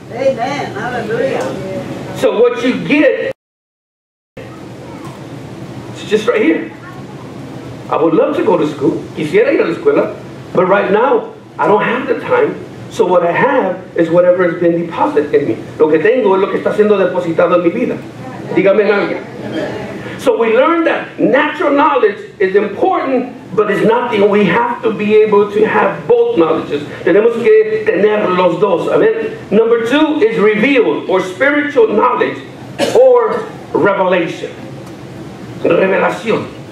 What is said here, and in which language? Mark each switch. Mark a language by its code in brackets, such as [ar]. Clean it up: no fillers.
[en] Amen. Hallelujah. So what you get is just right here. I would love to go to school. [es] Quisiera ir a la escuela. [en] But right now, I don't have the time. So what I have is whatever has been deposited in me. [es] Lo que tengo es lo que está siendo depositado en mi vida. Dígame algo. [en] So we learned that natural knowledge is important, but it's not the only. We have to be able to have both knowledges. [es] Tenemos que tener los dos. [en] Amen. Number two is revealed or spiritual knowledge or revelation. Revelación.